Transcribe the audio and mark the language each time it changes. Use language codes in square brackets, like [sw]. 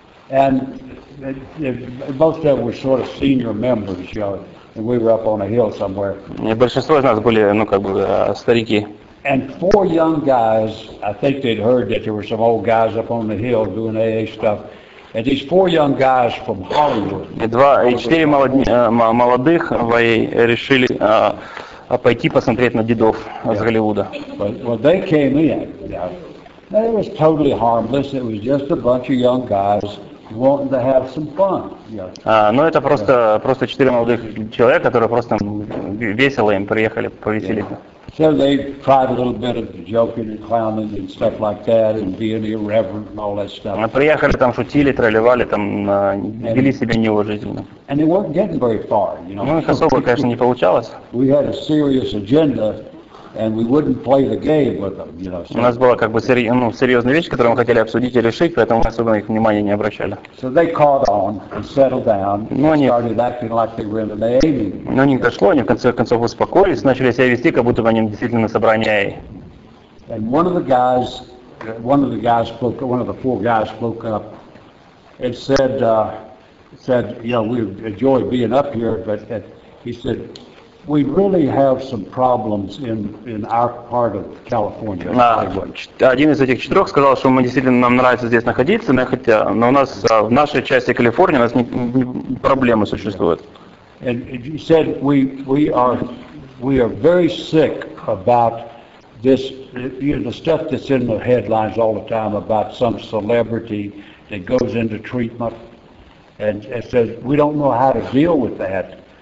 [en] And most of them were sort of senior members, you know, and we were up on a hill somewhere. [ru] И большинство из нас были, ну, как бы, старики. [en] And four young guys, I think they'd heard that there were some old guys up on the hill doing AA stuff. And these four young guys from Hollywood. [ru] И четыре молодых решили пойти посмотреть на дедов из Голливуда. [en] Well, they came in. Yeah. It was totally harmless. It was just a bunch of young guys. Wanting to have some fun. [ru] Ну это просто четыре молодых человека, которые просто весело им приехали повеселиться. [en] So they tried a little bit of joking and clowning and stuff like that and being irreverent and all that stuff. [ru] Приехали там шутили, тролливали, там вели себя неуважительно. [en] And they weren't getting very far, you know. [ru] Ну их особо, конечно, не получалось. [en] We had a serious agenda. And we wouldn't play the game with them, you know. [ru] У нас была как бы серьезная вещь, которую мы хотели обсудить и решить, поэтому мы особо их внимания не обращали. [en] So they caught on and settled down and started acting like they were in an AA meeting. [ru] Но не дошло, они в конце концов успокоились, начали себя вести, как будто бы они действительно на собрании AA. [en] And one of the four guys spoke up and said, you know, we enjoy being up here, but he said. We really have some problems in our part of California. [ru] Один из этих четырех сказал, что мы действительно нам нравится здесь находиться, но у нас в нашей части Калифорнии у нас проблемы существуют. [en] And he said we are very sick about this, you know, the stuff that's in the headlines all the time about some celebrity that goes into treatment, and says we don't know how to deal with that.